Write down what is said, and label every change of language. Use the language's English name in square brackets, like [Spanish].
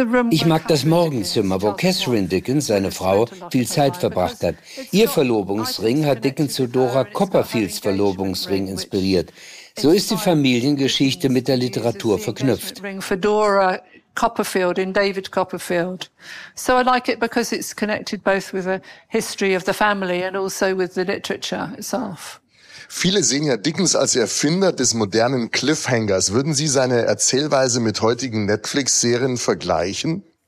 [German] Ich mag das Morgenzimmer, wo Catherine Dickens, seine Frau, viel Zeit verbracht hat. Ihr Verlobungsring hat Dickens zu Dora Copperfields Verlobungsring inspiriert. So ist die Familiengeschichte mit der Literatur verknüpft. [English] Copperfield in David Copperfield. So I like it because it's connected both with the history of the family and also with the literature itself. [German] Viele sehen ja Dickens als Erfinder des modernen Cliffhangers. Würden Sie seine Erzählweise mit heutigen Netflix-Serien vergleichen?